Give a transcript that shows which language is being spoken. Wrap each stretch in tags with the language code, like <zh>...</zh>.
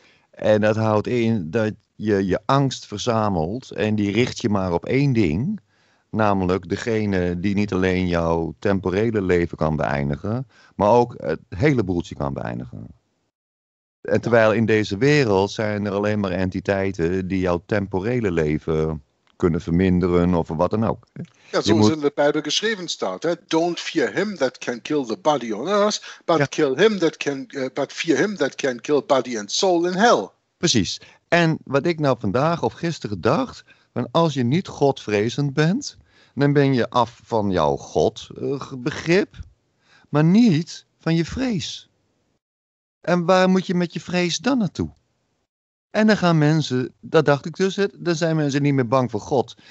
<nl>En dat houdt in dat je angst verzamelt en die richt je maar op één ding, namelijk degene die niet alleen jouw temporele leven kan beëindigen, maar ook het hele boeltje kan beëindigen. En terwijl in deze wereld zijn er alleen maar entiteiten die jouw temporele leven kunnen verminderen of wat dan ook. Ja, zoals in de Bijbel geschreven staat, hè?</nl> <en>Don't fear him that can kill the body on earth, but fear him that can kill body and soul in hell.</en> <nl>Precies. En wat ik nou vandaag of gisteren dacht, als je niet godvrezend bent, dan ben je af van jouw God begrip, maar niet van je vrees. En waar moet je met je vrees dan naartoe? En dan gaan mensen, dat dacht ik dus, dan zijn mensen niet meer bang voor God.</nl>